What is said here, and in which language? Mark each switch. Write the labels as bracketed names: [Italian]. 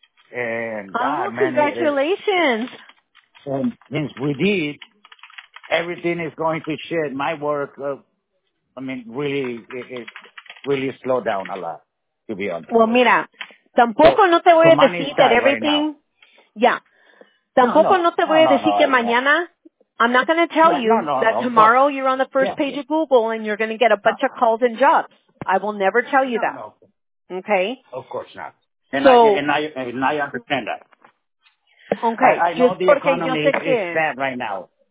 [English] Congratulations. And since we did, everything is going to shit. My work, really, it really slowed down a lot, to be honest. [Spanish] Well, mira, tampoco no te voy a decir [English] that everything, right [Spanish] tampoco no te voy a decir que mañana, [English] I'm not going to tell you that tomorrow you're on the first page of Google and you're going to get a bunch of calls and jobs. I will never tell you that. No. Okay? Of course not. And I understand that. Okay. I know just the economy is bad right now.